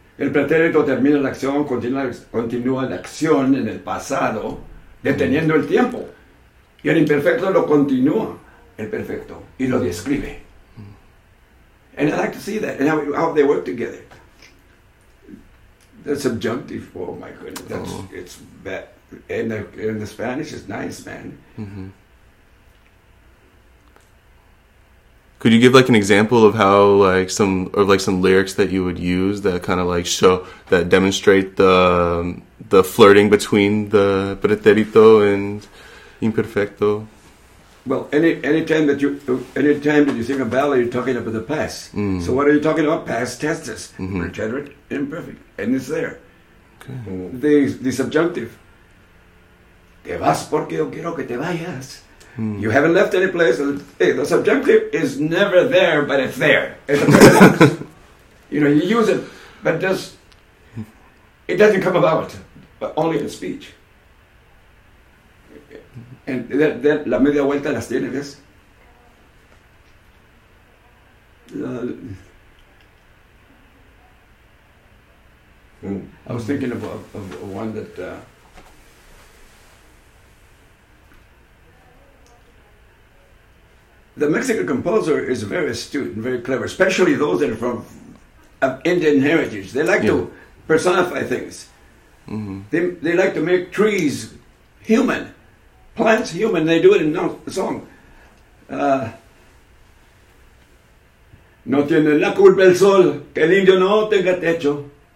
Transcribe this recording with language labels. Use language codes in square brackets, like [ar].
[es] El pretérito termina la acción, continúa la acción en el pasado, deteniendo el tiempo. Y el imperfecto lo continúa, el perfecto, y lo describe. [en] And I like to see that, and how they work together. The subjunctive, oh my goodness, it's bad. And the Spanish is nice, man. Could you give like an example of how like some lyrics that you would use that kind of like show that demonstrate the flirting between the pretérito and imperfecto? Well, any time that you sing a ballad, you're talking about the past. Mm. So what are you talking about? Past tenses. Pretérito, imperfect. And it's there. Okay. The subjunctive. [es] Te vas porque yo quiero que te vayas. [en] Mm. You haven't left any place. Hey, the subjunctive is never there, but it's there. You know, you use it, but just it doesn't come about, but only in speech. And then [es] la media vuelta las tiene, ¿ves? [en] I was thinking of one that the Mexican composer is very astute and very clever, especially those that are of Indian heritage. They like to personify things. Mm-hmm. They like to make trees human. Plants, human, they do it in no song. [es] No tiene la culpa el sol, que el indio no tenga techo.